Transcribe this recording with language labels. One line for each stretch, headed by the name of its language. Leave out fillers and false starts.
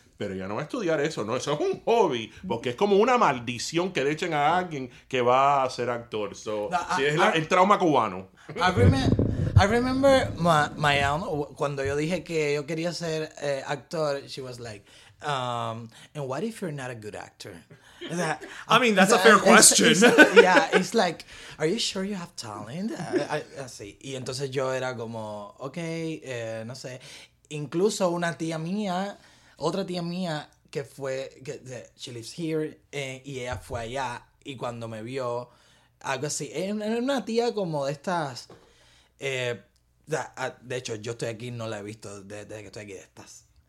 Spanish: Pero ya no va a estudiar eso, ¿no? Eso es un hobby. Porque es como una maldición que le echen a alguien que va a ser actor. So, el trauma cubano.
English: I remember my aunt,
Spanish: cuando yo dije que yo quería ser actor,
English: she was like, and what if you're not a good actor? That's a fair question. It's like, are you sure you have talent?
Spanish: Así. Y entonces yo era como, okay, no sé. Incluso una tía mía, otra tía mía que fue, que
English: she lives here,
Spanish: y ella fue allá, y cuando me vio, algo así, era una tía como de estas, de hecho, yo estoy aquí, no la he visto desde que estoy aquí, de estas